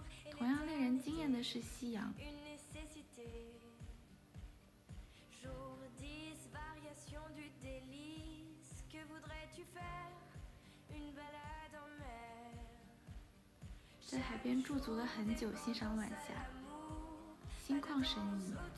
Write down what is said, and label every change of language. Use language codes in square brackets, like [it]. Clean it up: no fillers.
[zh] 同样令人惊艳的是夕阳。 [fr] Jour 10, variation du délice, que voudrais-tu faire? Une balade en mer. [zh] 在海边驻足了很久，欣赏晚霞，心旷神怡。